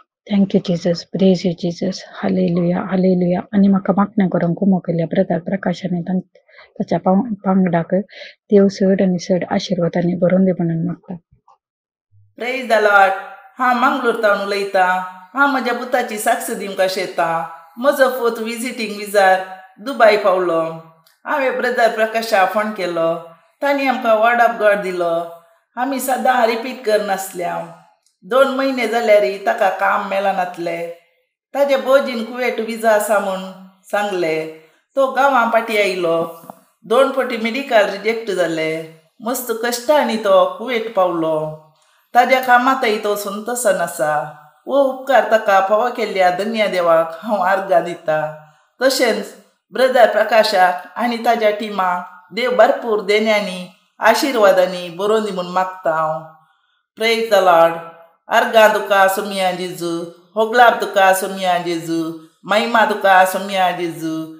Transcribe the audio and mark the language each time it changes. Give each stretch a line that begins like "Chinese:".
English: Thank you Jesus, praise you Jesus, hallelujah hallelujah.
Goan Konkani: आनी म्हाका मागणें करून घुमो केल्या ब्रदर प्रकाशाने ताच्या पांगडाक देव चड आनी चड आशिर्वादांनी भरून दी म्हणून मागता.
English: Praise the Lord.
Goan Konkani: हांव मंगलोरतावन उलयतां. हांव म्हज्या पुताची साक्ष दिवंक शकता. म्हजो पोत विजिटींग विजार दुबय पावलो. हांवें ब्रदर प्रकाशाक फोन केलो. ताणी आमकां वॉर्ड ऑफ गॉड दिलो. आमी सदां रिपीट करनासल्या. 2 म्हयने जाल्यार ताका काम मेळनातले. ताजे भोजीन कुवेट विजा आसा म्हूण सांगले. तो गांवां पाटी आयलो. 2 फावटी मेडिकल रिजेक्ट जाले. मस्त कश्टांनी तो कुवेट पावलो. ताज्या कामांतय तो संतोशान आसा. वो उपकार ताका फावो केल्ल्या धन्या देवाक हांव आर्गां दिता. तशेंच ब्रदर प्रकाशाक आनी ताज्या टिमाक देव भरपूर देण्यांनी आशिर्वादांनी बरोवन दी म्हूण मागता हांव.
English: Praise the Lord.
Goan Konkani: आर्गां तुका सुमिया जेजू, होगलाब तुका सुमिया जेजू, महिमा तुका सुमिया जेजू.